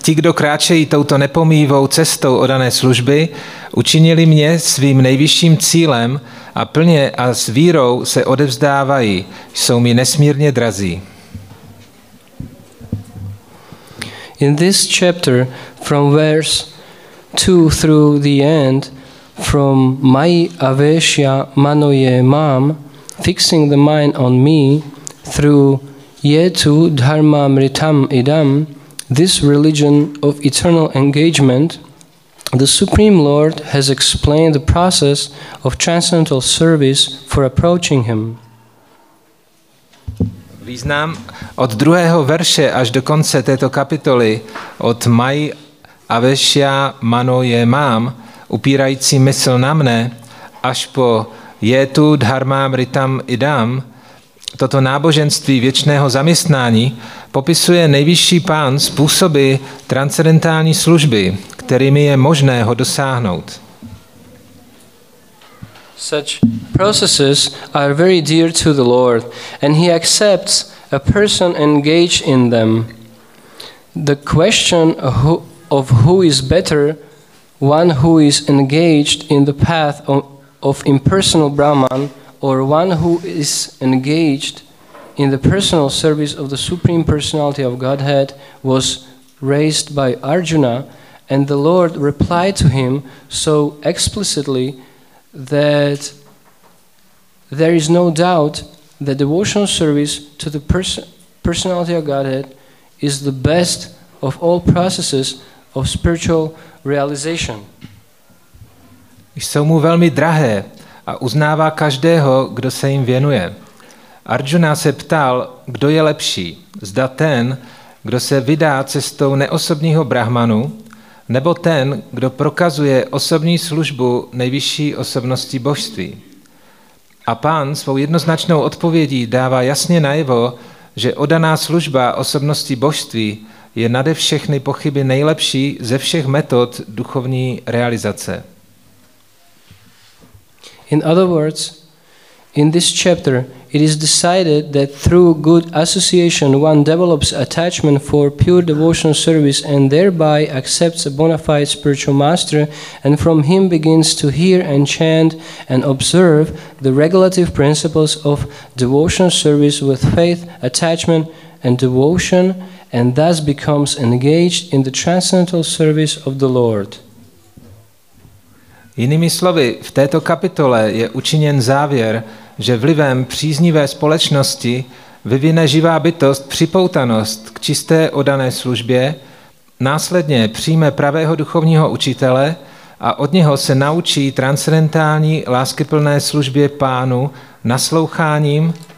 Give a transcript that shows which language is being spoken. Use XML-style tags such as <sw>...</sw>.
<cs>Ti, kdo kráčejí touto nepomývou cestou odané služby, učinili mě svým nejvyšším cílem a plně a s vírou se odevzdávají, jsou mi nesmírně drazí.</cs> <en>In this chapter, from verse 2 through the end, from</en> <sa>mai aveshya manoye mam,</sa> <en>fixing the mind on me, through</en> <sa>yetu dharma mritam idam,</sa> <en>this religion of eternal engagement, the Supreme Lord has explained the process of transcendental service for approaching him.</en> <cs>Význam od druhého verše až do konce této kapitoly od</cs> <sa>mai aveshya manoye mam,</sa> <cs>upírající mysl na mne, až po</cs> <sa>yetu dharma mritam idam,</sa> <cs>toto náboženství věčného zaměstnání popisuje nejvyšší pán způsoby transcendentální služby, kterými je možné ho dosáhnout.</cs> <en>Such processes are very dear to the Lord, and he accepts a person engaged in them. The question of who is better, one who is engaged in the path of impersonal Brahman, or one who is engaged in the personal service of the Supreme Personality of Godhead, was raised by Arjuna, and the Lord replied to him so explicitly that there is no doubt that devotional service to the personality of Godhead is the best of all processes of spiritual realization.</en> <cs>Jsou mu velmi drahé a uznává každého, kdo se jim věnuje. Arjuna se ptal, kdo je lepší, zda ten, kdo se vydá cestou neosobního brahmanu, nebo ten, kdo prokazuje osobní službu nejvyšší osobnosti božství. A pán svou jednoznačnou odpovědí dává jasně najevo, že odaná služba osobnosti božství je nade všechny pochyby nejlepší ze všech metod duchovní realizace.</cs> <en>In other words, in this chapter, it is decided that through good association, one develops attachment for pure devotional service and thereby accepts a bona fide spiritual master, and from him begins to hear and chant and observe the regulative principles of devotional service with faith, attachment, and devotion, and thus becomes engaged in the transcendental service of the Lord.</en> <cs>Jinými slovy, v této kapitole je učiněn závěr, že vlivem příznivé společnosti vyvine živá bytost připoutanost k čisté odané službě, následně přijme pravého duchovního učitele a od něho se naučí transcendentální láskyplné službě pánu nasloucháním,</cs>